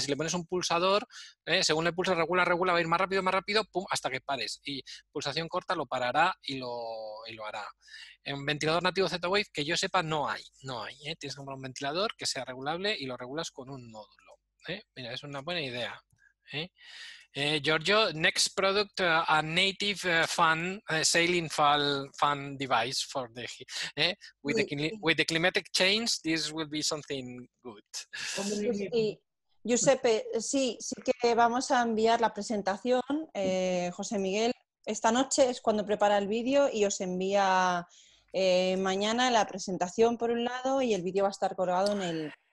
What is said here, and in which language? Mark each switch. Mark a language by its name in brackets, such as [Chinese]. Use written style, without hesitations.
[Spanish] Si le pones un pulsador, según le pulsas, regula, va a ir más rápido, pum, hasta que pares. Y pulsación corta lo parará y lo hará. En ventilador nativo Z-Wave, que yo sepa, no hay. Tienes que comprar un ventilador que sea regulable y lo regulas con un módulo. Mira, es una buena idea. [English] Giorgio, next product, a native fan, sailing fan device for the, with the climatic change, this will be something good. [Spanish] Sí. Giuseppe, sí que vamos a enviar la presentación, José Miguel, esta noche es cuando prepara el vídeo y os envía mañana la presentación por un lado y el vídeo va a estar colgado en el...